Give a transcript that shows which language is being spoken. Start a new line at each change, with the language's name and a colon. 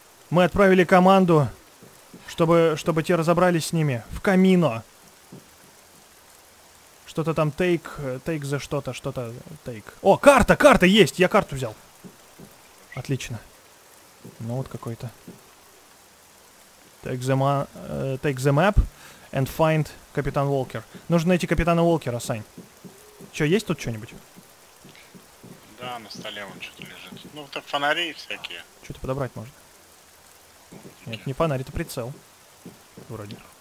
Russian: Мы отправили команду, чтобы те разобрались с ними. В камино. Что-то там take за что-то take. О, карта есть, я карту взял. Отлично. Ну вот какой-то.
English: Take the map and find
Russian: капитан
English: Уолкер.
Russian: Нужно найти капитана Уолкера, Сань. Чё, есть тут что-нибудь? Да, на столе вон что-то лежит. Ну, это фонари всякие. Что-то подобрать можно. Нет, не фонарь, это прицел. Вроде.